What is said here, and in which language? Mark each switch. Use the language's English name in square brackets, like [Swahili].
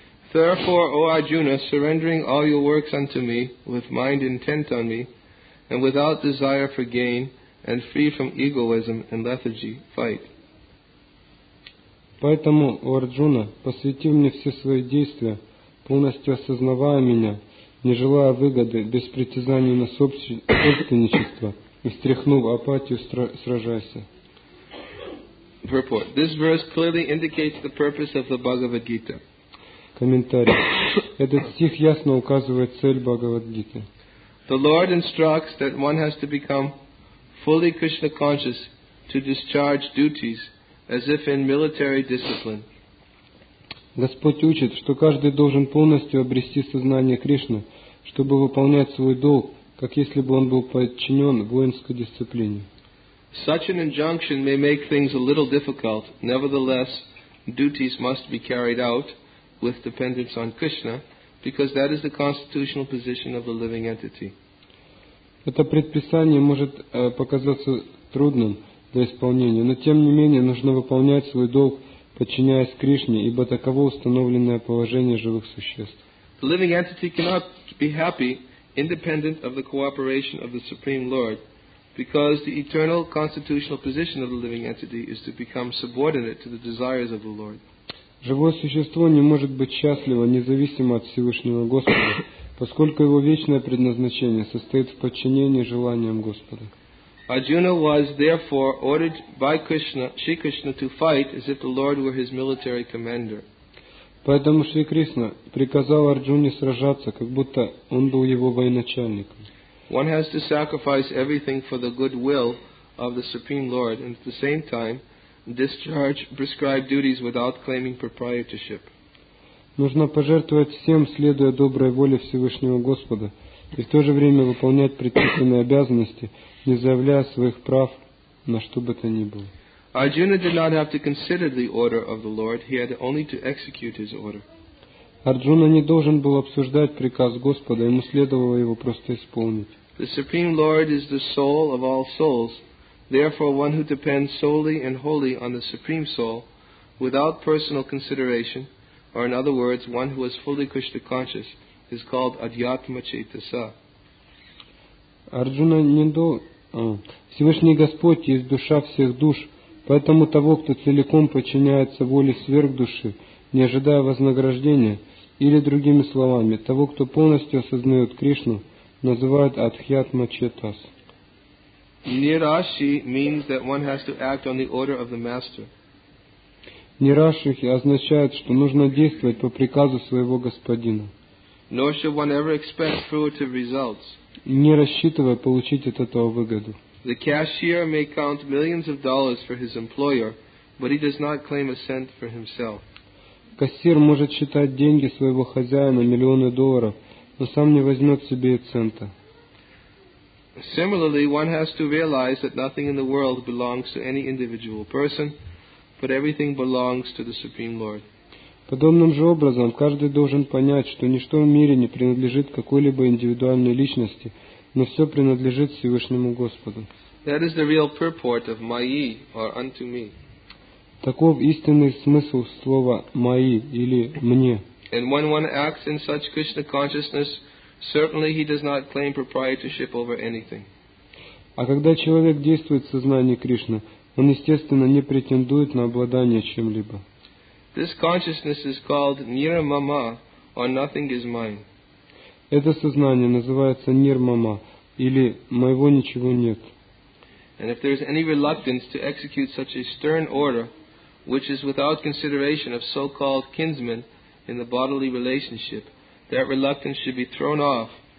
[English] Therefore, O Arjuna, surrendering all your works unto me, with mind intent on me, and without desire for gain, and free from egoism and lethargy, fight. [Russian] Поэтому, о Арджуна, посвяти мне все свои действия, полностью осознавая меня, не желая выгоды, без притязаний на собственничество, и стряхнув апатию, сражайся. [English] Purport. This verse clearly indicates the purpose of the Bhagavad Gita. [Russian] Комментарий. Этот стих ясно указывает цель Бхагавад Гиты. [English] The Lord instructs that one has to become fully Krishna conscious to discharge duties as if in military discipline. [Russian] Господь учит, что каждый должен полностью обрести сознание Кришны, чтобы выполнять свой долг, как если бы он был подчинен воинской дисциплине. [English] Such an injunction may make things a little difficult. Nevertheless, duties must be carried out with dependence on Krishna, because that is the constitutional position of the living entity. [Russian] Это предписание может показаться трудным для исполнения, но тем не менее нужно выполнять свой долг, подчиняясь Кришне, ибо таково установленное положение живых существ. [English] The living entity cannot be happy independent of the cooperation of the Supreme Lord, because the eternal constitutional position of the living entity is to become subordinate to the desires of the Lord. [Russian] Живое существо не может быть счастливо независимо от Всевышнего Господа, поскольку его вечное предназначение состоит в подчинении желаниям Господа. [English] Arjuna was therefore ordered by Krishna, Shri Krishna, to fight as if the Lord were his military commander. [Russian] Поэтому Шри Кришна приказал Арджуне сражаться, как будто он был его военачальником. [English] One has to sacrifice everything for the goodwill of the Supreme Lord and at the same time discharge prescribed duties without claiming proprietorship. [Russian] Нужно пожертвовать всем, следуя доброй воле Всевышнего Господа, и в то же время выполнять предписанные обязанности, не заявляя своих прав на что бы то ни было. [English] Arjuna did not have to consider the order of the Lord, he had only to execute his order. [Russian] Арджуна не должен был обсуждать приказ Господа, ему следовало его просто исполнить. [English] The Supreme Lord is the soul of all souls. Therefore, one who depends solely and wholly on the Supreme Soul, without personal consideration, or in other words, one who is fully Krishna conscious, is called Adhyatma Chetasa. [Russian] Арджуна не Всевышний Господь есть душа всех душ, поэтому того, кто целиком подчиняется воле сверхдуши, не ожидая вознаграждения, или другими словами, того, кто полностью осознает Кришну, называют Адхьятма Четас. [English] Нираши means that one has to act on the order of the master. [Russian] Нирашихи означает, что нужно действовать по приказу своего господина. [English] Nor should one ever expect fruitive results. [Russian] Не рассчитывая получить от этого выгоду. [English] The cashier may count millions of dollars for his employer, but he does not claim a cent for himself. [Russian] Кассир может считать деньги своего хозяина миллионы долларов, но сам не возьмет себе и цента. [English] Similarly, one has to realize that nothing in the world belongs to any individual person, but everything belongs to the Supreme Lord. [Russian] Подобным же образом, каждый должен понять, что ничто в мире не принадлежит какой-либо индивидуальной личности, но все принадлежит Всевышнему Господу. [English] That is the real purport of Mayi, or unto me. [Russian] Таков истинный смысл слова «мои» или «мне». [English] And when one acts in such Krishna consciousness, certainly he does not claim proprietorship over anything. [Russian] А когда человек действует в сознании Кришны, он, естественно, не претендует на обладание чем-либо. [English] This consciousness is called Nirmama, or nothing is mine. [Russian] Это сознание называется Нирмама, или «моего ничего нет». [English] And if there is any reluctance to execute such a stern order, which is without consideration of so-called kinsmen in the bodily relationship, that reluctance should be thrown off.